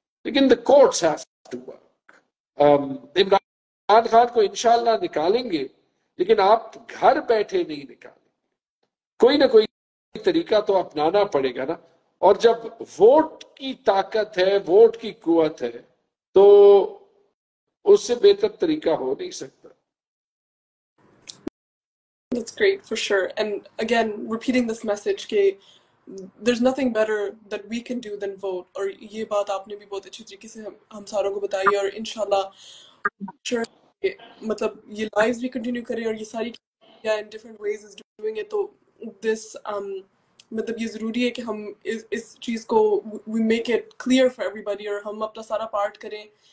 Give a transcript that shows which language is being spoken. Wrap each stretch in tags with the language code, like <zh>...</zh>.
<ur>لیکن</ur> <en>The courts have to work.</en> <ur>Imran Khan کو انشاءاللہ نکالیں گے, لیکن آپ گھر بیٹھے نہیں نکالیں, کوئی نہ کوئی طریقہ تو اپنانا پڑے گا نا. اور جب ووٹ کی طاقت ہے, ووٹ کی قوت ہے, تو اس سے بہتر طریقہ ہو نہیں سکتا.</ur> <en>That's great for sure. And again, repeating this message</en> <ur>کہ</ur> <en>there's nothing better that we can do than vote.</en> <ur>اور یہ بات آپ نے بھی بہت اچھی طریقے سے ہم ساروں کو بتائی, اور انشاءاللہ sure, مطلب یہ لائیوز بھی کنٹینیو کریں, اور یہ ساری yeah,</ur> <en>in different ways is doing it.</en> <ur>تو this مطلب یہ ضروری ہے کہ ہم اس چیز کو</ur> <en>we make it clear for everybody,</en> <ur>اور ہم اپنا سارا پارٹ کریں.</ur>